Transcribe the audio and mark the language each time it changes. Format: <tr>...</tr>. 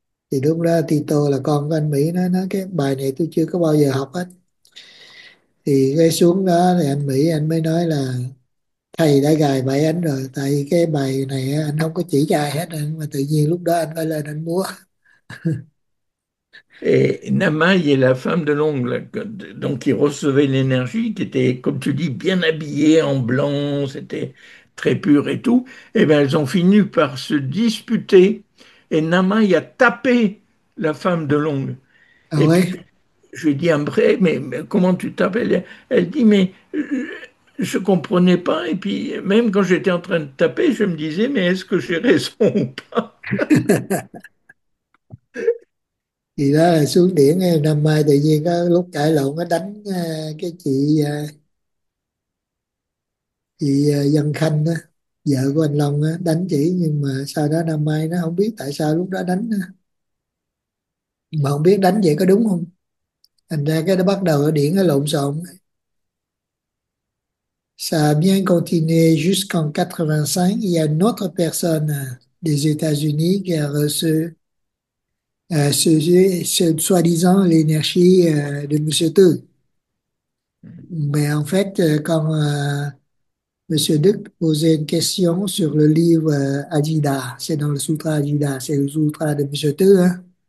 <vi>Thì lúc đó Tito là con của anh Mỹ nó cái bài này tôi chưa có bao giờ học hết. Thì cái xuống đó thì anh Mỹ anh mới nói là thầy đã gài bẫy anh rồi, tại cái bài này anh không có chỉ cho ai hết, mà tự nhiên lúc đó anh phải lên anh múa.</vi> <fr>Et Namai est la femme de l'oncle, donc qui recevait l'énergie, qui était, comme tu dis, bien habillée en blanc, c'était très pur et tout. Et bien, elles ont fini par se disputer. Et Namai a tapé la femme de l'oncle. Ah Et puis, ouais. je lui dis, après, mais comment tu tapes? Elle dit, mais je comprenais pas. Et puis, même quand j'étais en train de taper, je me disais, mais est-ce que j'ai raison ou pas?</fr> <vi>Thì đó là xuống điển năm mai tự nhiên có lúc cãi lộn nó đánh cái chị Vân Khanh đó, vợ của anh Long đó, đánh chị, nhưng mà sau đó năm mai nó không biết tại sao lúc đó đánh đó. Mà không biết đánh vậy có đúng không, thành ra cái nó bắt đầu ở điển nó lộn xộn.</vi> <fr>Ça bien continué jusqu'en 85, il y a une autre personne des États-Unis qui a reçu ce soi-disant l'énergie de Monsieur Tư. Mais en fait, quand Monsieur Đức posait une question sur le livre Ajida, c'est dans le Sutra Ajida, c'est le Sutra de Monsieur Tư, hein.</fr>